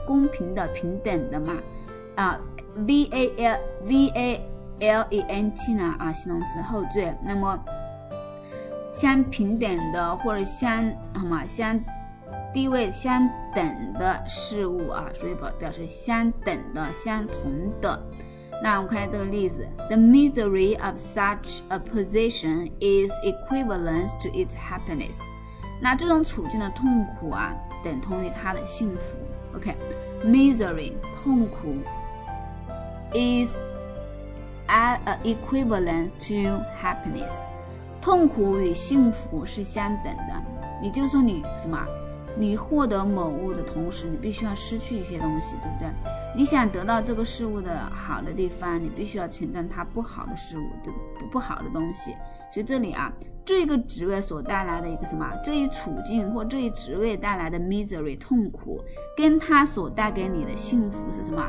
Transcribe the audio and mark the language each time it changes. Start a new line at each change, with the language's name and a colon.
Chinese: 公平的、平等的嘛。啊 ，valent 呢？啊，形容词后缀。那么相平等的或者相什么相地位相等的事物啊，所以表示相等的、相同的。
English: 那我们看下这个例子 ：The misery of such a position is equivalent to its happiness。
Chinese: 那这种处境的痛苦啊，等同于他的幸福。 OK，misery 痛苦
English: is at equivalent to happiness，
Chinese: 痛苦与幸福是相等的。你就说你什么？你获得某物的同时，你必须要失去一些东西，对不对？你想得到这个事物的好的地方，你必须要承担它不好的事物，对不？不好的东西。所以这里啊，这个职位所带来的一个什么，这一处境或这一职位带来的 misery 痛苦，跟它所带给你的幸福是什么？